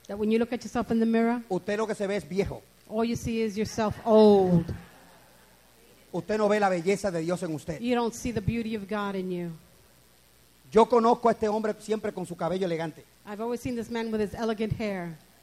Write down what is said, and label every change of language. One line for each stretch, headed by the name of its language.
English: that when you look at yourself in the mirror,
Spanish: usted lo que se ve es viejo.
English: All you see is yourself old.
Spanish: Usted no ve la belleza de Dios en usted.
English: You don't see the beauty of God in you.
Spanish: Yo conozco a este hombre siempre con su cabello elegante.
English: I've always seen this man with his elegant hair.